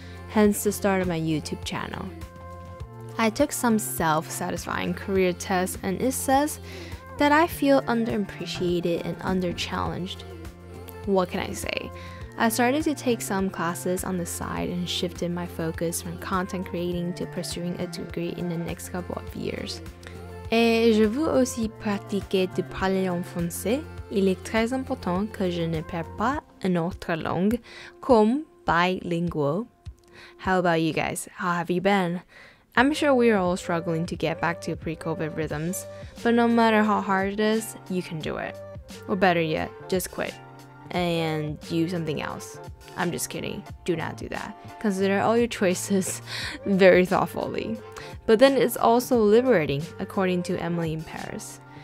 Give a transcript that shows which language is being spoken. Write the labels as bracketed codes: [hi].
[en] Hence the start of my YouTube channel. I took some self-satisfying career tests and it says that I feel underappreciated and under-challenged. What can I say? I started to take some classes on the side and shifted my focus from content creating to pursuing a degree in the next couple of years. [fr] Et je veux aussi pratiquer de parler en français. Il est très important que je ne perde pas une autre langue comme bilingual. [en] How about you guys? How have you been? I'm sure we are all struggling to get back to pre-COVID rhythms, but no matter how hard it is, you can do it. Or better yet, just quit and do something else. I'm just kidding. Do not do that. Consider all your choices very thoughtfully. But then it's also liberating, according to Emily in Paris.